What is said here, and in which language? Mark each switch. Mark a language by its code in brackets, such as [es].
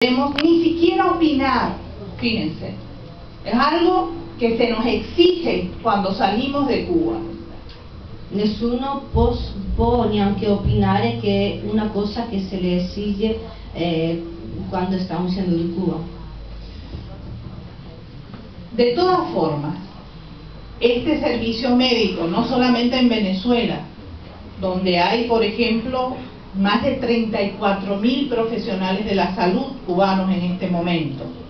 [es] Podemos ni siquiera opinar, fíjense, es algo que se nos exige cuando salimos de Cuba. [it] Nessuno può neanche opinare che è una cosa che se le esige quando stiamo uscendo di Cuba. [es] De todas formas, este servicio médico, no solamente en Venezuela, donde hay, por ejemplo, más de 34.000 profesionales de la salud cubanos en este momento.